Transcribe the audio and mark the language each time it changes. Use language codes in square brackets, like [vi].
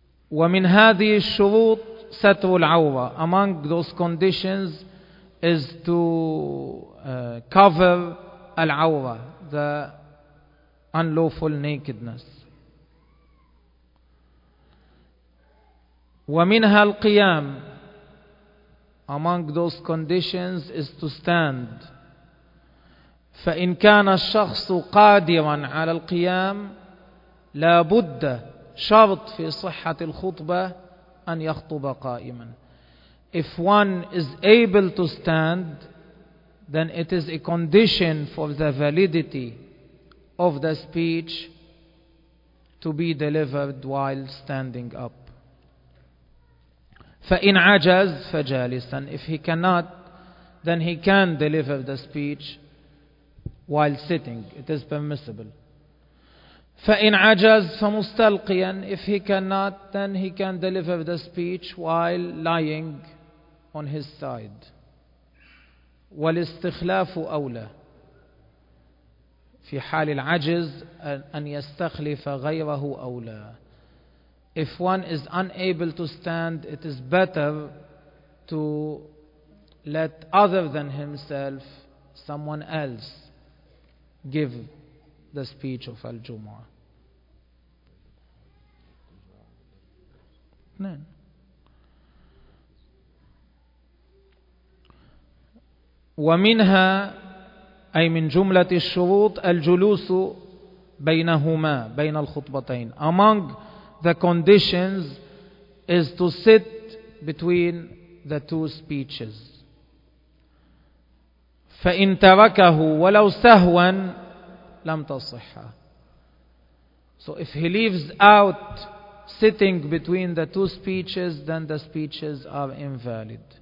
[ar] ومن هذه الشروط ستر العورة. [en] Among those conditions is to cover العورة, the unlawful nakedness. [ar] ومنها القيام. [en] Among those conditions is to stand. [ar] فإن كان الشخص قادرا على القيام لا بد شرط في صحة الخطبة أن يخطب قائما. [en] If one is able to stand, then it is a condition for the validity of the speech to be delivered while standing up. [ar] فإن عجز فجالسا. [en] If he cannot, then he can deliver the speech while sitting. It is permissible. [ar] فإن عجز فمستلقيا. [en] If he cannot, then he can deliver the speech while lying on his side. [ar] والاستخلاف أولى. في حال العجز أن يستخلف غيره أولى. [en] If one is unable to stand, it is better to let other than himself, someone else, give the speech of Al-Jumu'ah. [ar] ومنها أي من جملة الشروط الجلوس بينهما بين الخطبتين. [en] Among the conditions is to sit between the two speeches. [ar] فإن تركه ولو سهوا لم تصح. [en] So if he leaves out sitting between the two speeches, then the speeches are invalid.